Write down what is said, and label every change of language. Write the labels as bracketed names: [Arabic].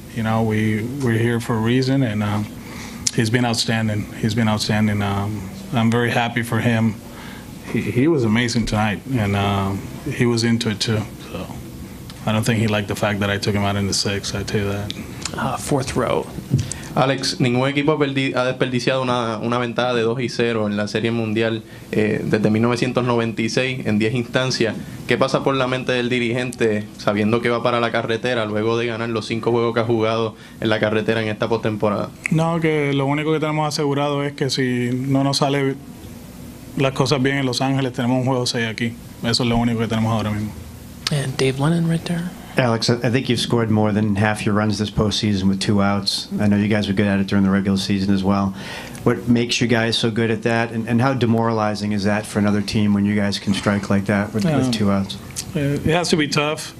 [English] You know, we're here for a reason, and he's been outstanding. He's been outstanding. I'm very happy for him. He was amazing tonight, and he was into it too. So I don't think he liked the fact that I took him out in the sixth, I tell you that. Fourth row. [Spanish] Alex, ningún equipo ha desperdiciado una ventaja de 2-0 en la Serie Mundial desde 1996 en 10 instancias. ¿Qué pasa por la mente del dirigente sabiendo que va para la carretera luego de ganar los 5 juegos que ha jugado en la carretera en esta postemporada? No, que lo único que tenemos asegurado es que si no nos sale las cosas bien en Los Ángeles, tenemos un juego 6 aquí. Eso es lo único que tenemos ahora mismo. [English] And Dave Lennon right there. Alex, I think you've scored more than half your runs this postseason with 2 outs. I know you guys were good at it during the regular season as well. What makes you guys so good at that, and how demoralizing is that for another team when you guys can strike like that with 2 outs? It has to be tough.